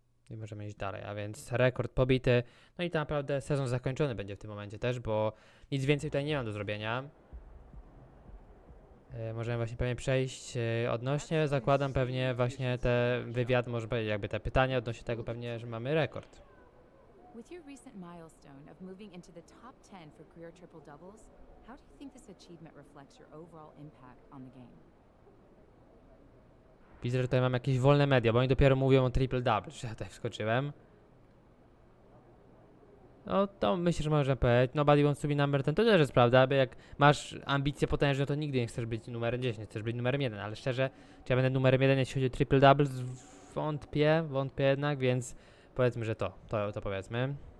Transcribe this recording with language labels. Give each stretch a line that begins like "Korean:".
Polish: I możemy iść dalej, a więc rekord pobity. No i to naprawdę sezon zakończony będzie w tym momencie też, bo nic więcej tutaj nie mam do zrobienia. Możemy właśnie pewnie przejść odnośnie, zakładam pewnie właśnie te wywiad, może być jakby te pytania odnośnie tego pewnie, że mamy rekord.
English: With your recent milestone of moving into the top 10 for career triple doubles, how do you think this achievement reflects your overall impact on the game?
Polish: Widzę, że tutaj mam jakieś wolne media, bo oni dopiero mówią o triple double, że ja tutaj wskoczyłem. No to myślę, że można powiedzieć,
English: nobody wants to be number 10,
Polish: to też jest prawda, bo jak masz ambicje potężne, to nigdy nie chcesz być numerem 10, chcesz być numerem 1, ale szczerze, czy ja będę numerem 1, jeśli chodzi o triple double, wątpię jednak, więc powiedzmy, że to powiedzmy.